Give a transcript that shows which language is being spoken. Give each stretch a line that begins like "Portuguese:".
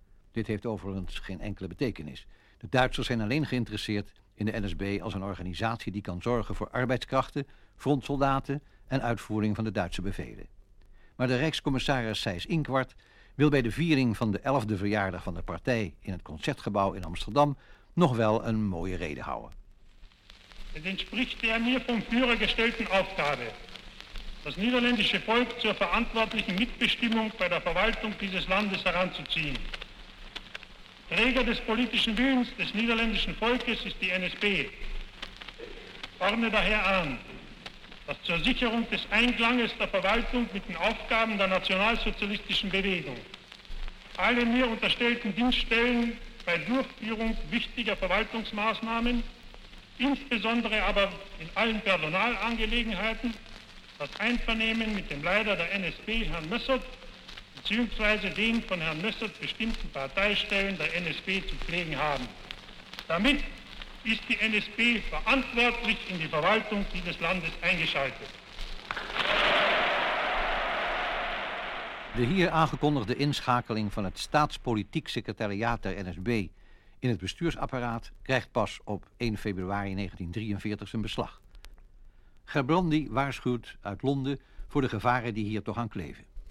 Dutch: Dit heeft overigens geen enkele betekenis. De Duitsers zijn alleen geïnteresseerd in de NSB als een organisatie die kan zorgen voor arbeidskrachten, frontsoldaten en uitvoering van de Duitse bevelen. Maar de Rijkscommissaris Seyss Inquart wil bij de viering van de 11e verjaardag van de partij in het Concertgebouw in Amsterdam nog wel een mooie reden houden.
German: Het entspricht der mir vom Führer gestellten Aufgabe, das niederländische Volk zur verantwortlichen Mitbestimmung bei der Verwaltung dieses Landes heranzuziehen. Träger des politischen Willens des niederländischen Volkes ist die NSB. Ordne daher an, dass zur Sicherung des Einklanges der Verwaltung mit den Aufgaben der nationalsozialistischen Bewegung alle mir unterstellten Dienststellen bei Durchführung wichtiger Verwaltungsmaßnahmen, insbesondere aber in allen Personalangelegenheiten, das Einvernehmen mit dem Leiter der NSB, Herrn Mössert, beziehungsweise den von Herrn Mössert bestimmten Parteistellen der NSB zu pflegen haben. Damit ist die NSB verantwortlich in die Verwaltung dieses Landes eingeschaltet.
Dutch: De hier aangekondigde inschakeling van het staatspolitiek secretariaat der NSB in het bestuursapparaat krijgt pas op 1 februari 1943 zijn beslag. Gerbrandy waarschuwt uit Londen voor de gevaren die hier toch aan kleven.